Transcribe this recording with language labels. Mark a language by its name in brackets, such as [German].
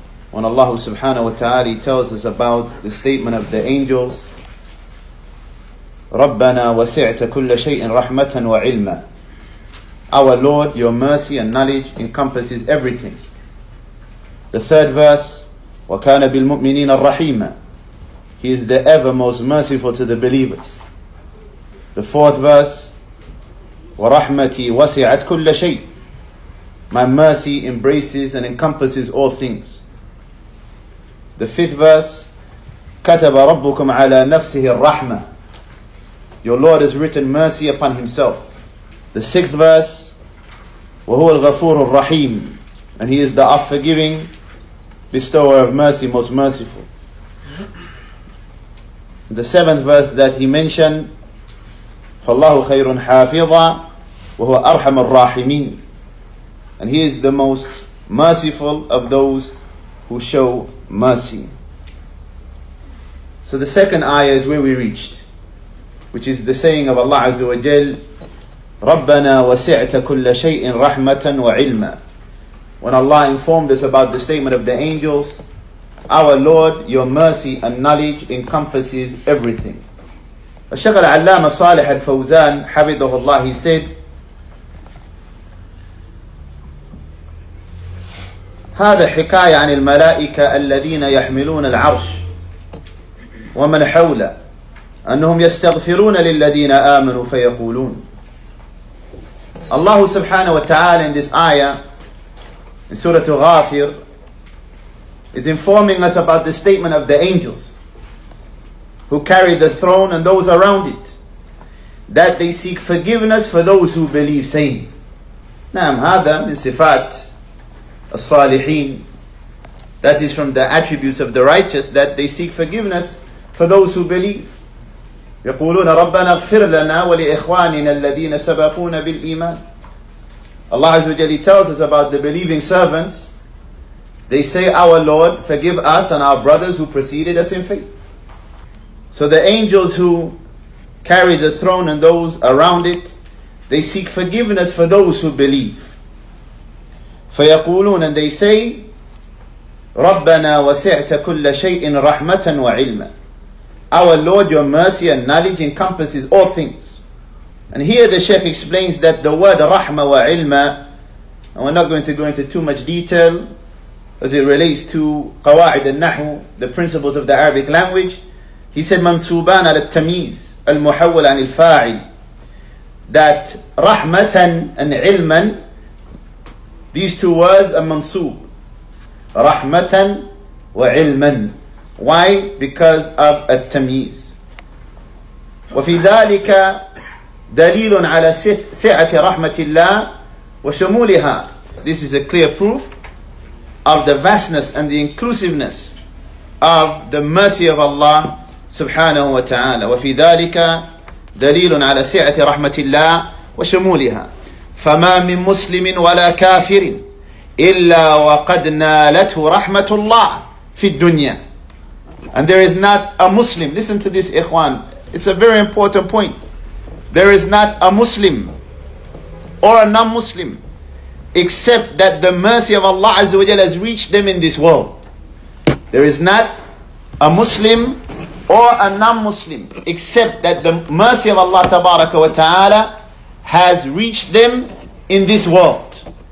[English] When Allah subhanahu wa ta'ala tells us about the statement of the angels, [Arabic] رَبَّنَا وَسِعْتَ كُلَّ شَيْءٍ رَحْمَةً وَعِلْمًا. [English] Our Lord, your mercy and knowledge encompasses everything. The third verse, [Arabic] وَكَانَ بِالْمُؤْمِنِينَ الرَّحِيمًا. [English] He is the ever most merciful to the believers. The fourth verse, [Arabic] وَرَحْمَتِي وَسِعَتْ كُلَّ شَيْءٍ. [English] My mercy embraces and encompasses all things. The fifth verse, [Arabic] كَتَبَ رَبُّكُمْ عَلَى نَفْسِهِ الرَّحْمَةِ. [English] Your Lord has written mercy upon Himself. The sixth verse, [Arabic] وَهُوَ الْغَفُورُ الرَّحِيمُ. [English] And He is the all-forgiving, bestower of mercy, most merciful. The seventh verse that he mentioned, [Arabic] فَاللَّهُ خَيْرٌ حَافِظًا وَهُوَ أَرْحَمُ الرَّاحِمِينَ. [English] And He is the most merciful of those who show mercy. So the second ayah is where we reached, which is the saying of Allah Azza wa Jal, [Arabic] رَبَّنَا وَسِعْتَ كُلَّ شَيْءٍ رَحْمَةً وَعِلْمًا. [English] When Allah informed us about the statement of the angels, our Lord, your mercy and knowledge encompasses everything. [Arabic] الشيخ العلامة صالح الفوزان حفظه الله, [English] he said, [Arabic] هذا حكاية عن الملائكة الذين يحملون العرش ومن حوله أنهم يستغفرون للذين آمنوا فيقولون. [English] الله سبحانه وتعالى in this ayah in Surah Ghafir is informing us about the statement of the angels who carry the throne and those around it, that they seek forgiveness for those who believe, saying, [Arabic] نعم هذا من صفات الصالحين, [English] that is from the attributes of the righteous, that they seek forgiveness for those who believe. [Arabic] يقولون ربنا اغفر لنا ولإخواننا الذين سبقونا بالإيمان. [English] Allah Azza wa Jalla tells us about the believing servants. They say, our Lord, forgive us and our brothers who preceded us in faith. So the angels who carry the throne and those around it, they seek forgiveness for those who believe. [Arabic] فيقولون, [English] and they say, [Arabic] رَبَّنَا وَسِعْتَ كُلَّ شَيْءٍ رَحْمَةً وَعِلْمًا. [English] Our Lord, your mercy and knowledge encompasses all things. And here the Shaykh explains that the word rahma wa ilma, and we're not going to go into too much detail as it relates to qawa'id al-nahu, the principles of the Arabic language. He said, [Arabic] mansuban al-tamiz al-muhawwal an al-fa'il, [English] that rahmatan and ilman, these two words are mansub. Rahmatan wa ilman. Why? Because of al-tamiz. [Arabic] وفي ذلك دليل على سعة رحمة الله وشمولها. [English] This is a clear proof of the vastness and the inclusiveness of the mercy of Allah سبحانه وتعالى. [Arabic] وفي ذلك دليل على سعة رحمة الله وشمولها. فما من مسلم ولا كافر إلا وقد نالته رحمة الله في الدنيا. [English] And there is not a Muslim. Listen to this, Ikhwan. It's a very important point. There is not a Muslim or a non-Muslim except that the mercy of Allah Azza wa Jalla has reached them in this world. There is not a Muslim or a non-Muslim except that the mercy of Allah Tabaraka wa Ta'ala has reached them in this world.